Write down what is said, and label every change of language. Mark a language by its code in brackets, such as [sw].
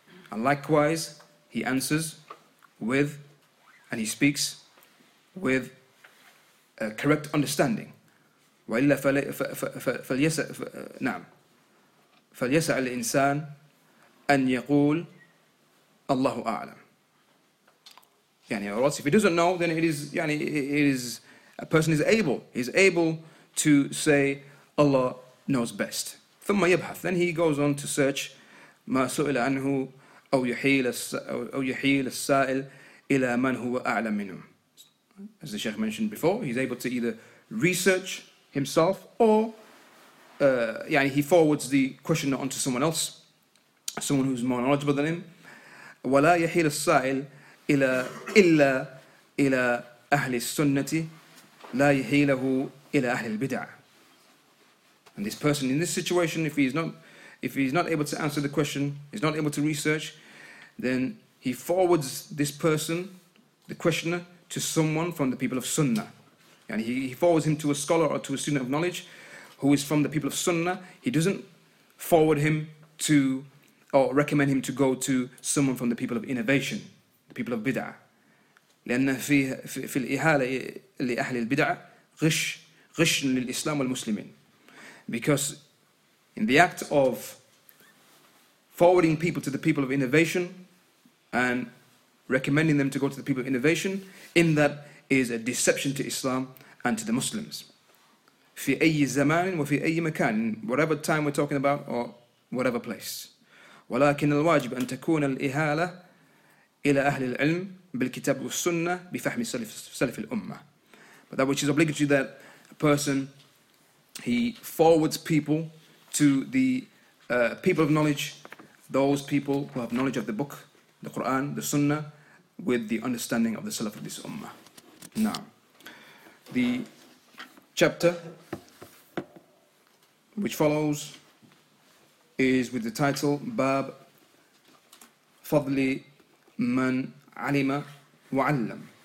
[en] And likewise, he answers with, and he speaks with a correct understanding. [ar] وإلا فليسع الإنسان أن يقول الله أعلم. [en] يعني or else if he doesn't know, then it is a person is able. He's able to say Allah knows best. [ar] ثم يبحث. [en] Then he goes on to search [ar] ما سئل عنه أو يحيل السائل إلى من هو أعلم منه. [en] As the Sheikh mentioned before, he's able to either research himself or يعني he forwards the question onto someone else, someone who's more knowledgeable than him. [ar] وَلَا يَحِيلَ السَّائِلِ إِلَّا إِلَى أَهْلِ السُّنَّةِ لَا يَحِيلَهُ إِلَى أَهْلِ الْبِدْعَةِ. [en] And this person in this situation, if he's not able to answer the question, he's not able to research, then he forwards this person, the questioner, to someone from the people of Sunnah. And he forwards him to a scholar or to a student of knowledge who is from the people of Sunnah. He doesn't forward him to or recommend him to go to someone from the people of innovation, the people of bid'ah. [ar] لأن في الإهالة لأهل البدع غش غش للإسلام والمسلمين. [en] Because in the act of forwarding people to the people of innovation and recommending them to go to the people of innovation, in that is a deception to Islam and to the Muslims. [ar] في أي زمان وفي أي مكان, [en] whatever time we're talking about or whatever place. [ar] ولكن الواجب أن تكون الإهالة إلى أهل العلم بالكتاب والسنة بفهم سلف الأمة. [en] But that which is obligatory, that a person, he forwards people to the people of knowledge, those people who have knowledge of the book, the Quran, the Sunnah, with the understanding of the Salaf of this Ummah. Now, the chapter which follows is with the title Bab Fadli Man Alima Wa'allam.